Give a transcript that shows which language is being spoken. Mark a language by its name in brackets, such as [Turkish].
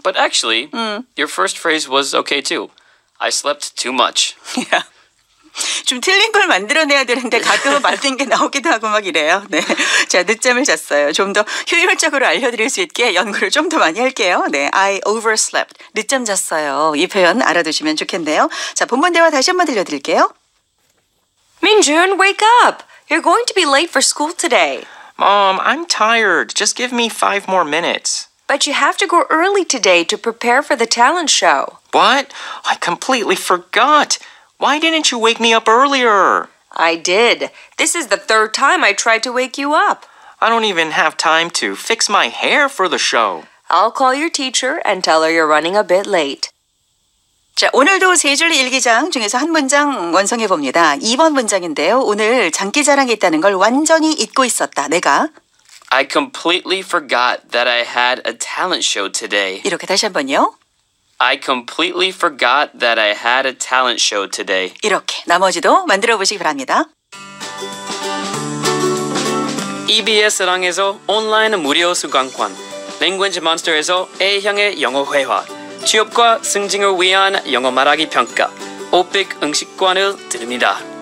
[English] But actually, your first phrase was okay too. I slept too much. Yeah. [Korean] 좀 틀린 걸 만들어내야 되는데 가끔은 만든 게 나오기도 하고 막 이래요. 네, 자 늦잠을 잤어요. 좀 더 효율적으로 알려드릴 수 있게 연구를 좀 더 많이 할게요. 네, [English] I overslept. [Korean] 늦잠 잤어요. 이 표현 알아두시면 좋겠네요. 자 본문 대화 다시 한번 들려드릴게요. [English] Minjun, wake up. You're going to be late for school today. Mom, I'm tired. Just give me 5 more minutes. But you have to go early today to prepare for the talent show. What? I completely forgot. Why didn't you wake me up earlier? I did. This is the third time I tried to wake you up. I don't even have time to fix my hair for the show. I'll call your teacher and tell her you're running a bit late. [Korean] 자, 오늘도 세 줄 일기장 중에서 한 문장 완성해 봅니다. 2번 문장인데요. 오늘 장기 자랑이 있다는 걸 완전히 잊고 있었다. 내가 [English] I completely forgot that I had a talent show today. [Korean] 이렇게 다시 한번요. [English] I completely forgot that I had a talent show today. [Korean] 이렇게 나머지도 만들어 보시기 바랍니다. EBS 랑에서 온라인 무료 수강권, Language Monster에서 A형의 영어 회화, 취업과 승진을 위한 영어 말하기 평가, 오픽 응시권을 드립니다.